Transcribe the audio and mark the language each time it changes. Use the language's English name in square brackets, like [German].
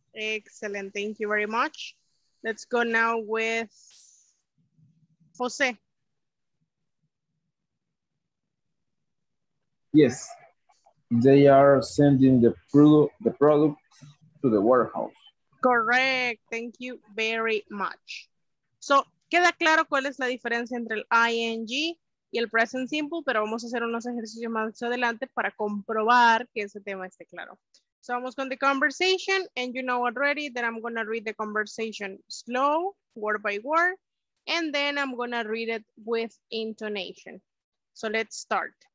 [English] Excellent, thank you very much. Let's go now with José. Yes, they are sending the product to the warehouse. Correct, thank you very much. [Spanish] So, queda claro cuál es la diferencia entre el ing y el present simple, pero vamos a hacer unos ejercicios más adelante para comprobar que ese tema esté claro. [English] So, [Spanish] vamos con [English] the conversation, and you know already that I'm going to read the conversation slow, word by word, and then I'm going to read it with intonation. So, let's start.